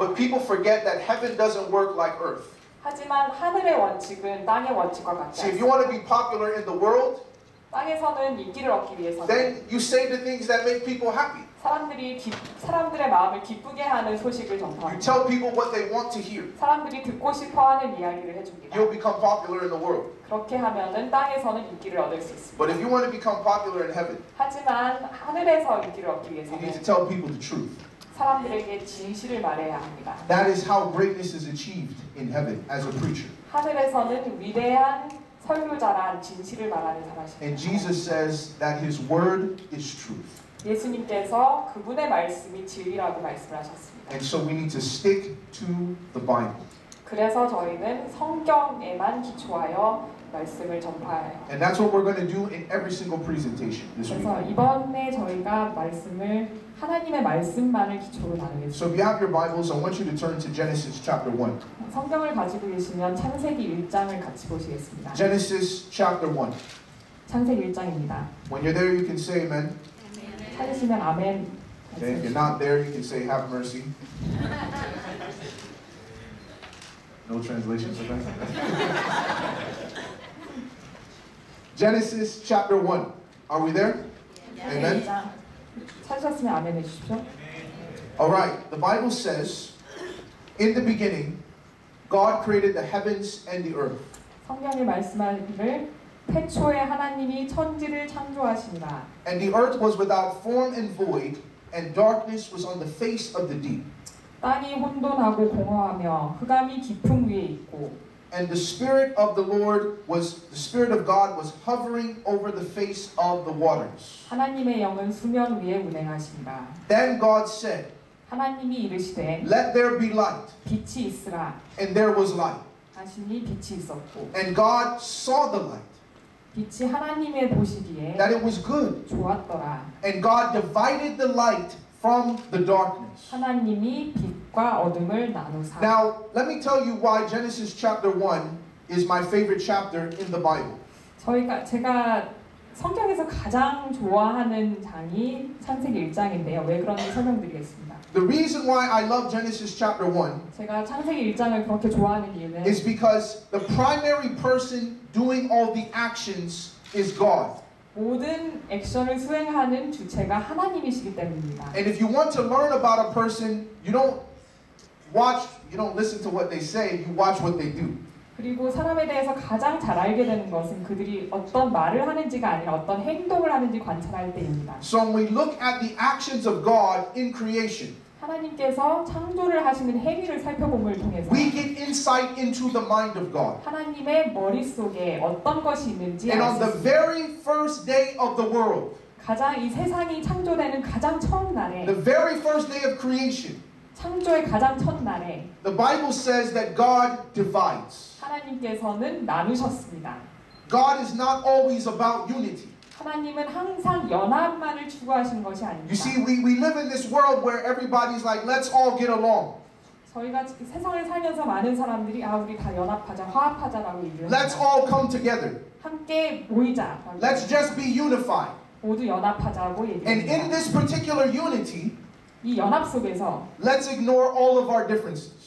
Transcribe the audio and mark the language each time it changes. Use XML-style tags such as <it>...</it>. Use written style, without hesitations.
<en>But people forget that heaven doesn't work like earth.</en> <ko>하지만 하늘의 원칙은 땅의 원칙과 같지 않습니다.</ko> <en>If you want to be popular in the world,</en> <ko>땅에서는 인기를 얻기 위해서는</ko> <en>Then you say the things that make people happy.</en> <ko>사람들의 마음을 기쁘게 하는 소식을 전파합니다.</ko> <en>You tell people what they want to hear.</en> <ko>사람들이 듣고 싶어하는 이야기를 해줍니다.</ko> <en>You'll become popular in the world.</en> <ko>그렇게 하면은 땅에서는 인기를 얻을 수 있습니다.</ko> <en>But if you want to become popular in heaven,</en> <ko>하지만 하늘에서 인기를 얻기 위해서는</ko> <en>You need to tell people the truth.</en> <ko>사람들에게 진실을 말해야 합니다.</ko> <en>That is how greatness is achieved in heaven as a preacher.</en> <ko>하늘에서는 위대한 설교자란 진실을 말하는 사람이십니다.</ko> <en>And Jesus says that His word is truth.</en> <ko>예수님께서 그분의 말씀이 진리라고 말씀하셨습니다.</ko> <en>And so we need to stick to the Bible.</en> <ko>그래서 저희는 성경에만 기초하여 말씀을 전파해요.</ko> <en>And that's what we're going to do in every single presentation this week.</en> <ko>그래서 이번에 저희가 말씀을 하나님의 말씀만을 기초로 나누겠습니다.</ko> <en>So if you have your Bibles, I want you to turn to Genesis chapter 1.</en> <ko>성경을 가지고 계시면 창세기 1장을 같이 보시겠습니다.</ko> <en>Genesis chapter 1.</en> <ko>창세기 1장입니다.</ko> <en>When you're there, you can say amen.</en> <ko>찾으시면 아멘.</ko> <en>Okay, if you're not there, you can say have mercy. No translation for that. Genesis chapter 1. Are we there? Yeah. Amen.</en> <ko>찾으셨으면 아멘 해주십시오.</ko> <en>All right. The Bible says, in the beginning, God created the heavens and the earth.</en> <ko>성경이 말씀하기를 태초에 하나님이 천지를 창조하신다.</ko> <en>And the earth was without form and void, and darkness was on the face of the deep.</en> <ko>땅이 혼돈하고 공허하며 흑암이 깊음 위에 있고.</ko> <en>And the spirit of the Lord was the spirit of God was hovering over the face of the waters.</en> <ko>하나님의 영은 수면 위에 운행하신다.</ko> <en>Then God said,</en> <ko>하나님이 이르시되,</ko> <en>Let there be light.</en> <ko>빛이 있으라.</ko> <en>And there was light.</en> <ko>하시니 빛이 있었고.</ko> <en>And God saw the light.</en> <ko>빛이 하나님의 보시기에</ko> <en>That it was good.</en> <ko>좋았더라.</ko> <en>And God divided the light from the darkness.</en> <ko>하나님이 빛과 어둠을 나누사.</ko> <en>Now, let me tell you why Genesis chapter 1 is my favorite chapter in the Bible.</en> <ko>제가 성경에서 가장 좋아하는 장이 창세기 1장인데요. 왜 그런지 설명드리겠습니다.</ko> <en>The reason why I love Genesis chapter 1</en> <ko>제가 창세기 1장을 그렇게 좋아하는 이유는</ko> <en>is because the primary person doing all the actions is God.</en> <ko>모든 액션을 수행하는 주체가 하나님이시기 때문입니다.</ko> <en>And if you want to learn about a person, you don't listen to what they say, you watch what they do.</en> <ko>그리고 사람에 대해서 가장 잘 알게 되는 것은 그들이 어떤 말을 하는지가 아니라 어떤 행동을 하는지 관찰할 때입니다.</ko> <en>So when we look at the actions of God in creation,</en> <ko>하나님께서 창조를 하시는 행위를 살펴봄을 통해서</ko> <en>we get insight into the mind of God.</en> <ko>하나님의 머릿속에 어떤 것이 있는지</ko> <en>And on the very first day of the world,</en> <ko>가장 이 세상이 창조되는 가장 처음 날에</ko> <en>the very first day of creation,</en> <ko>창조의 가장 첫 날에</ko> <en>the Bible says that God divides.</en> <ko>하나님께서는 나누셨습니다.</ko> <en>God is not always about unity.</en> <ko>하나님은 항상 연합만을 추구하신 것이 아닙니다.</ko> <en>You see, we live in this world where everybody's like, let's all get along.</en> <ko>저희가 세상을 살면서 많은 사람들이 아 우리 다 연합하자, 화합하자라고 얘기합니다.</ko> <en>Let's all come together.</en> <ko>함께 모이자.</ko> <en>Let's just be unified.</en> <ko>모두 연합하자고 얘기합니다.</ko> <en>And in this particular unity,</en> <ko>이 연합 속에서</ko> <en>let's ignore all of our differences.</en>